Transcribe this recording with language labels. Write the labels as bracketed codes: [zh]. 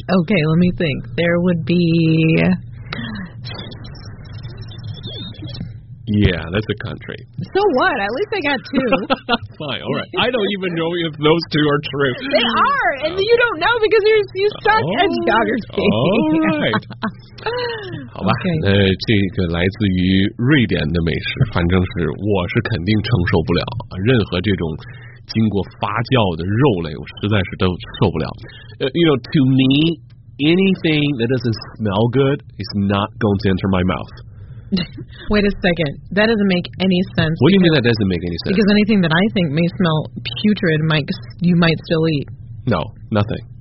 [en] Okay, let me think. There would be... Yeah, that's a country. So what? At least I got two. Fine, all right. I don't even know if those two are true. They are, and you don't know because you're stuck at geography. All right. [zh] 好吧、 [en] okay. [zh] 这个来自于瑞典的美食，反正是我是肯定承受不了任何这种经过发酵的肉类，我实在是都受不了。 [en] You know, to me, anything that doesn't smell good is not going to enter my mouth. Wait a second. That doesn't make any sense. What do you mean that doesn't make any sense? Because anything that I think may smell putrid, you might still eat. No, nothing.